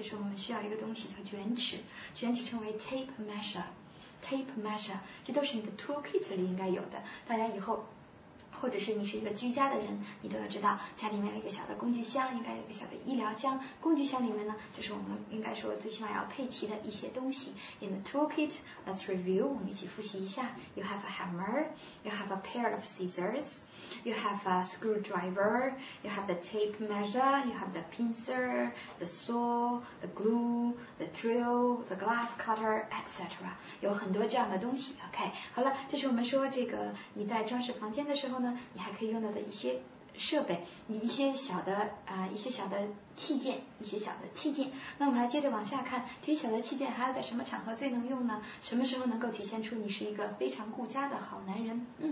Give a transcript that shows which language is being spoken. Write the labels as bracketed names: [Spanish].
[Chinese] 这时候我们需要一个东西叫卷尺称为 tape measure， 这都是你的 toolkit 里应该有的，大家以后或者是你是一个居家的人，你都要知道家里面有一个小的工具箱，应该有一个小的医疗箱。工具箱里面呢，就是我们应该说最起码要配齐的一些东西。 [English] In the toolkit, let's review， [Chinese] 我们一起复习一下。 [English] You have a hammer, you have a pair of scissors, you have a screwdriver, you have the tape measure, you have the pincer, the saw, the glue, the drill, the glass cutter, etc. [Chinese] 有很多这样的东西。 OK， 好了，这是我们说这个你在装饰房间的时候呢，你还可以用到的一些设备，一些小的器件。那我们来接着往下看，这些小的器件还要在什么场合最能用呢？什么时候能够体现出你是一个非常顾家的好男人？